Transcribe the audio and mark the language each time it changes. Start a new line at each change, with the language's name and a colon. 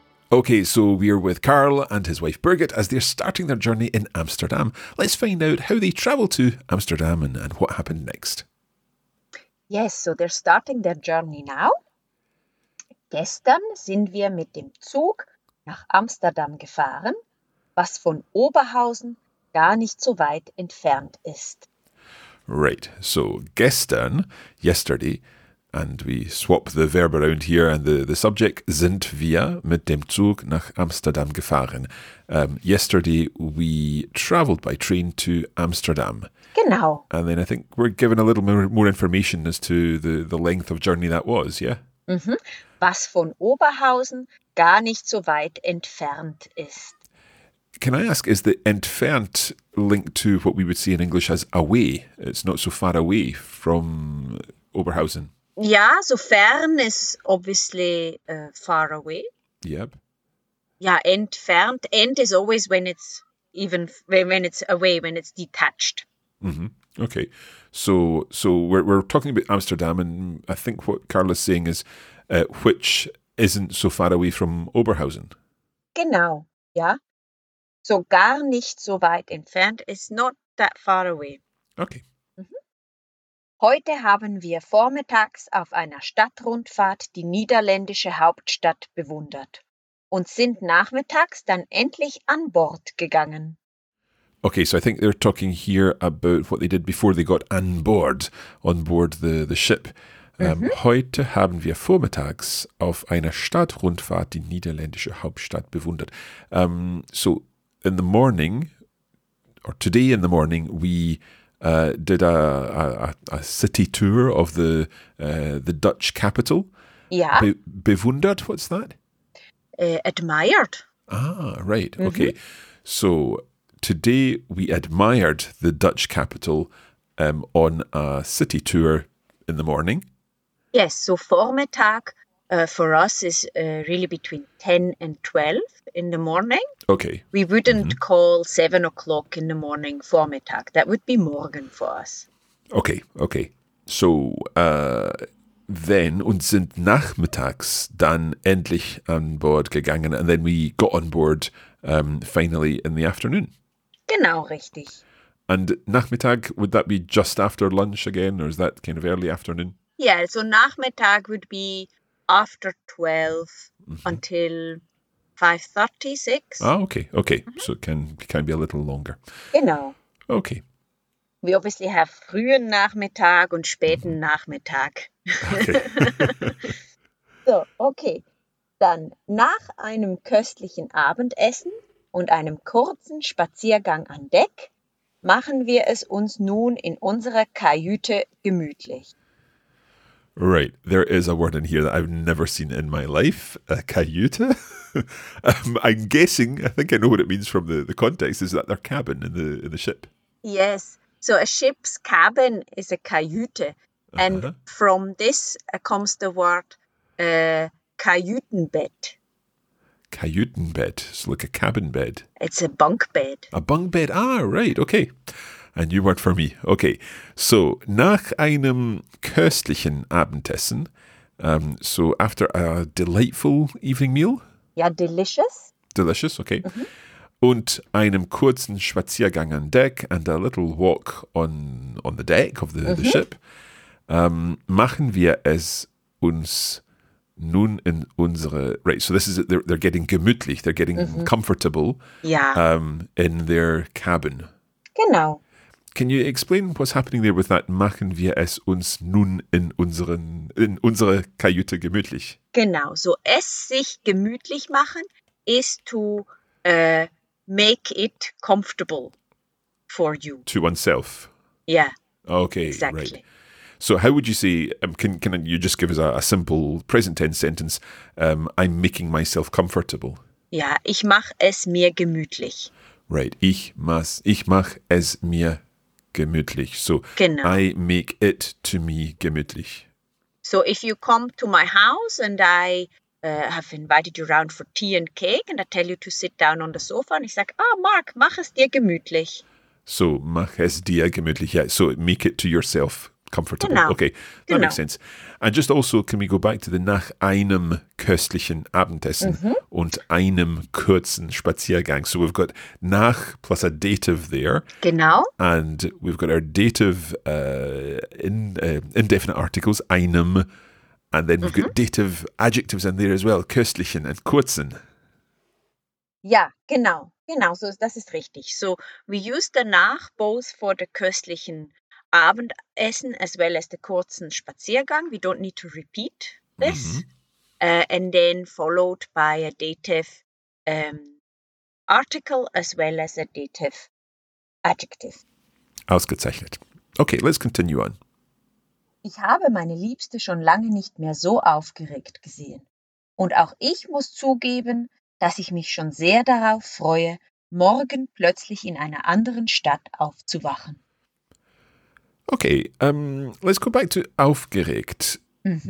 English: Okay, so we're with Carl and his wife Birgit as they're starting their journey in Amsterdam. Let's find out how they travel to Amsterdam and what happened next. Yes, so they're starting their journey now.
German: Gestern sind wir mit dem Zug nach Amsterdam gefahren, was von Oberhausen gar nicht so weit entfernt ist.
English: Right, so gestern, yesterday, and we swap the verb around here and the subject,
German: sind wir mit dem Zug nach Amsterdam gefahren.
English: Yesterday we travelled by train to Amsterdam.
German: Genau.
English: And then I think we're given a little more information as to the length of journey that was, yeah? Mm-hmm. Was von Oberhausen gar nicht so weit entfernt ist. Can I ask, is the entfernt linked to what we would see in English as away? It's not so far away from Oberhausen. Ja, so fern is obviously far away. Yep.
German: Ja, entfernt.
English: End is always when it's away, when it's detached. Mm-hmm. Okay. So we're talking about Amsterdam, and I think what Carl is saying is which isn't so far away from Oberhausen.
German: Genau, ja. So gar nicht so weit entfernt.
English: It's not that far away. Okay.
German: Heute haben wir vormittags auf einer Stadtrundfahrt die niederländische Hauptstadt bewundert und sind nachmittags dann endlich an Bord gegangen.
English: Okay, so I think they're talking here about what they did before they got on board the ship.
German: Heute haben wir vormittags auf einer Stadtrundfahrt die niederländische Hauptstadt bewundert.
English: In the morning, or today in the morning, we did a city tour of the Dutch capital. Yeah. Bewundert, what's that? admired. Ah, right. Mm-hmm. Okay. So today we admired the Dutch capital on a city tour in the morning. Yes. So vormittag for us is really between 10 and 12 in the morning. Okay. We wouldn't mm-hmm. call 7 o'clock in the morning vormittag. That would be morgen for us. Okay. Okay. So then,
German: und sind nachmittags dann endlich an Bord gegangen.
English: And then we got on board finally in the afternoon.
German: Genau, richtig.
English: And nachmittag, would that be just after lunch again? Or is that kind of early afternoon? Yeah, so nachmittag would be after 12 mm-hmm. until 5:30, 6. Ah, okay, okay. Mm-hmm. So it can be a little longer.
German: Genau.
English: Okay. We obviously have
German: frühen Nachmittag und späten mm-hmm. Nachmittag.
English: Okay. So, okay.
German: Dann nach einem köstlichen Abendessen und einem kurzen Spaziergang an Deck machen wir es uns nun in unserer Kajüte gemütlich.
English: Right, there is a word in here that I've never seen in my life, a Kajüte. I'm guessing, I think I know what it means from the context, is that their cabin in the ship. Yes, so a ship's cabin is a Kajüte. And uh-huh. from this comes the word Kajütenbett. Kajütenbett, so like a cabin bed. It's a bunk bed. A bunk bed, ah, right, okay. A new word for me. Okay, so
German: nach einem köstlichen Abendessen,
English: so after a delightful evening meal. Ja, delicious. Delicious, okay. Mm-hmm.
German: Und einem kurzen Spaziergang an Deck
English: and a little walk on the deck of the, mm-hmm.
German: the ship, machen wir es uns nun in unsere...
English: Right, so this is... They're getting gemütlich. They're getting mm-hmm. comfortable yeah. In their cabin.
German: Genau.
English: Can you explain what's happening there with that?
German: Machen wir es uns nun in unsere Kajüte gemütlich?
English: Genau, so
German: es sich gemütlich machen
English: is to make it comfortable for you. To oneself. Yeah. Okay, exactly. Right. So how would you say, can you just give us a simple present tense sentence, I'm making myself comfortable?
German: Yeah, ich mach es mir gemütlich. Right, ich mach es mir gemütlich.
English: So,
German: genau.
English: I make it to me gemütlich. So, if you come to my house and I have invited you around for tea and cake and I tell you to sit down on the sofa and ich sag, ah, Mark,
German: mach es dir gemütlich. So, mach es dir gemütlich.
English: Yeah, so make it to yourself comfortable.
German: Genau.
English: Okay, that
German: genau.
English: Makes sense. And just also, can we go back to the
German: nach einem köstlichen Abendessen
English: mm-hmm.
German: und einem kurzen Spaziergang?
English: So we've got nach plus a dative there.
German: Genau.
English: And we've got our dative indefinite articles, einem. And then we've mm-hmm. got dative adjectives in there as well, köstlichen and kurzen.
German: Ja, genau. Genau, so das ist richtig.
English: So we use the nach both for the köstlichen Abendessen as well as the kurzen Spaziergang. We don't need to repeat this. Mm-hmm. And then followed by a dative article as well as a dative adjective. Ausgezeichnet. Okay, let's continue on.
German: Ich habe meine Liebste schon lange nicht mehr so aufgeregt gesehen. Und auch ich muss zugeben, dass ich mich schon sehr darauf freue, morgen plötzlich in einer anderen Stadt aufzuwachen.
English: Okay, let's go back to aufgeregt. Mm-hmm.